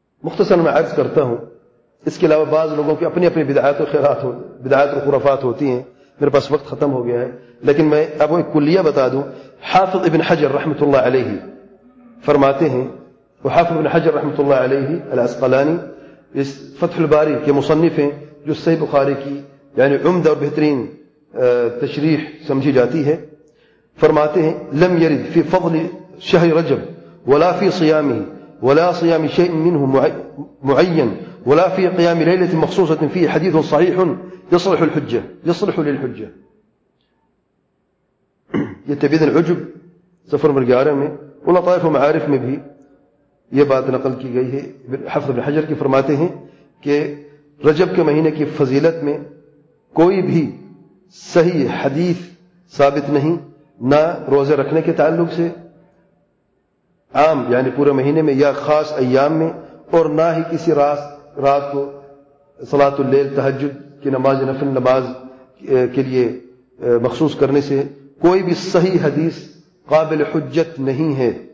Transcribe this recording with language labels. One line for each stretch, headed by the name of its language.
Urdu: مختصر میں عرض کرتا ہوں, اس کے علاوہ بعض لوگوں کی اپنی اپنی بدعات و خیرات ہو بدعات و خرافات ہوتی ہیں, میرے پاس وقت ختم ہو گیا ہے, لیکن میں آپ کو ایک کلیہ بتا دوں. حافظ ابن حجر رحمۃ اللہ علیہ فرماتے ہیں, حافظ ابن حجر رحمۃ اللہ علیہ العسقلانی اس فتح الباری کے مصنف ہیں, جو صحیح بخاری کی یعنی عمدہ اور بہترین تشریح سمجھی جاتی ہے.
Arabic: فرماتے ہیں, لم يرد في فضل شهر رجب ولا في صيامه ولا صيام شيء منه معين ولا في قيام ليلة مخصوصة فيه حديث صحيح يصلح الحجة يصلح للحجة.
Urdu: یہ تبیذ العجب سفر نمبر 11 میں لطائف و معارف میں بھی یہ بات نقل کی گئی ہے. حافظ ابن حجر کی فرماتے ہیں کہ رجب کے مہینے کی فضیلت میں کوئی بھی صحیح حدیث ثابت نہیں, نہ روزے رکھنے کے تعلق سے عام یعنی پورے مہینے میں یا خاص ایام میں, اور نہ ہی کسی رات کو صلاۃ اللیل تہجد کی نماز نفل نماز کے لیے مخصوص کرنے سے کوئی بھی صحیح حدیث قابل حجت نہیں ہے.